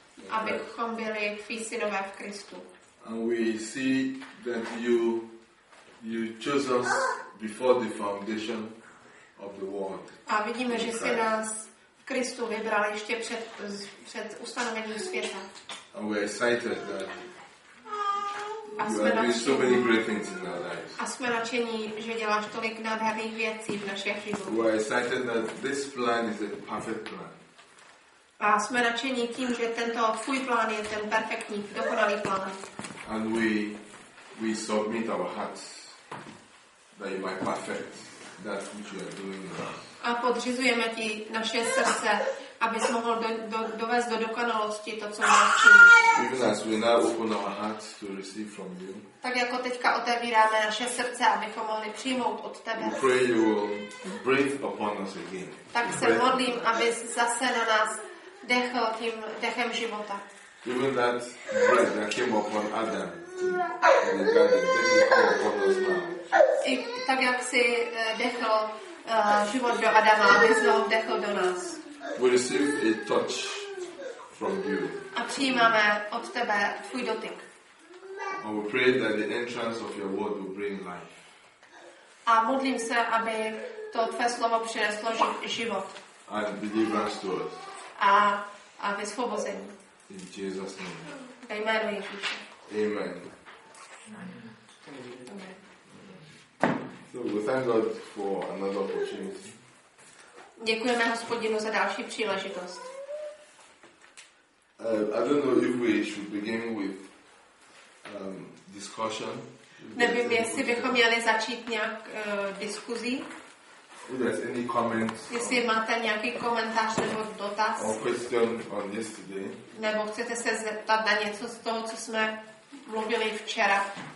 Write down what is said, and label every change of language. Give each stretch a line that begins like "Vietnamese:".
Czech: Abychom byli tví synové v Kristu.
English: And we see that you chose us before the foundation of the world.
Czech: A vidíme, že jsi nás v Kristu vybral ještě před ustanovením světa.
English: And we're excited that you are doing so many great things in our lives.
Czech: A jsme nadšení, že děláš tolik nádherných věcí v našich životech.
English: We're excited that this plan is a perfect plan.
Czech: A jsme nadšení tím, že tento tvůj plán je ten perfektní, dokonalý plán.
English: And we submit our hearts that you might perfect that which you are doing in us.
Czech: A podřizujeme ti naše srdce, abys mohl dovést do dokonalosti to, co máš činit.
English: Even as we now open our hearts to receive from you.
Czech: Tak jako teďka otevíráme naše srdce, abychom mohli přijmout od tebe.
English: We pray you will breathe upon us again.
Czech: Tak se modlím, abys zase na nás dechl tím dechem života.
English: Even that breath that came upon Adam in the garden, this is all upon us now.
Czech: I tak jak si dechl život do Adama, aby znovu dechl do nás.
English: We receive a touch from you.
Czech: A přijímáme od tebe tvůj dotyk.
English: And we pray that the entrance of your word will bring life.
Czech: A modlím se, aby to tvé slovo přineslo život.
English: And deliverance to us.
Czech: A vysvobození.
English: In Jesus' name.
Czech: Amen. Ježíši. Amen.
English: So we thank God for another opportunity.
Czech: Děkujeme Hospodinu za další příležitost.
English: I don't know if we should begin with discussion.
Czech: Nevím, jestli bychom měli začít nějak diskuzí.
English: If there's any comments.
Czech: Jestli máte nějaký komentář nebo dotaz.
English: Or question on yesterday.
Czech: Nebo chcete se zeptat na něco z toho, co jsme mluvili včera.